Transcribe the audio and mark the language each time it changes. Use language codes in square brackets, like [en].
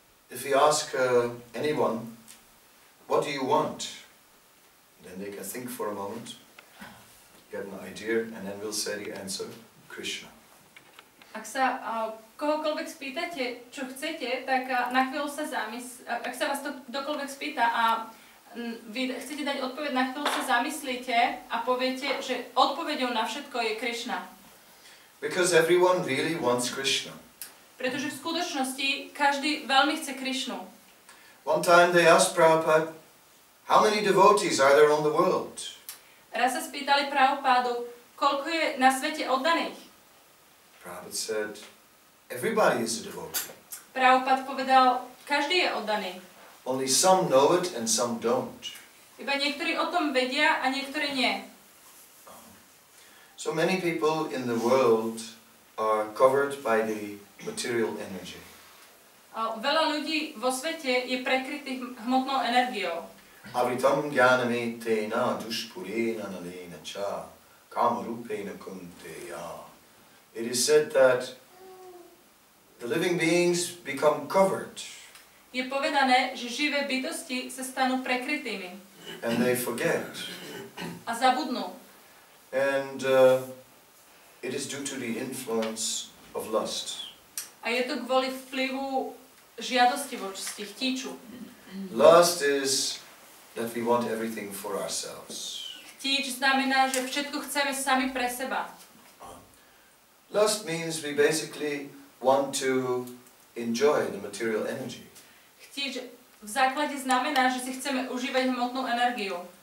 [en] If we ask anyone, what do you want? Then they can think for a moment, get an idea, and then we'll say the answer, Krishna. [sk] Ak sa kohokoľvek spýtate, čo chcete, tak na chvíľu sa zamyslite, ak sa vás to dokoľvek spýta a vy chcete dať odpoveď, na chvíľu sa zamyslíte a poviete, že odpoveďou na všetko je Krišna. [en] Because everyone really wants Krishna. [sk] Pretože v skutočnosti každý veľmi chce Krišnu. [en] One time they asked Prabhupada, how many devotees are there on the world? [sk] Raz sa spýtali Prabhupádu, koľko je na svete oddaných? [en] Prabhupada said, everybody is a devotee. [sk] Prabhupád povedal, každý je oddaný. [en] Only some know it and some don't. [sk] Iba niektorí o tom vedia a niektorí nie. [en] So many people in the world are covered by the material energy. [sk] Veľa ľudí vo svete je prekrytých hmotnou energiou. [sa] Avitam gyanami tena duspurena nalena cha kamarupena kunteya. [en] It is said that the living beings become covered. [sk] Je povedané, že živé bytosti sa stanú prekrytými. [en] And they forget. [sk] A zabudnú. [en] And it is due to the influence of lust. [sk] A je to kvôli vplyvu žiadostivosti, chtíču. [en] Lust is that we want everything for ourselves. [sk] Chtíč znamená, že všetko chceme sami pre seba. [en] Lust means we basically want to enjoy the material energy. [sk] Chtíč v základe znamená, že si chceme užívať hmotnú energiu.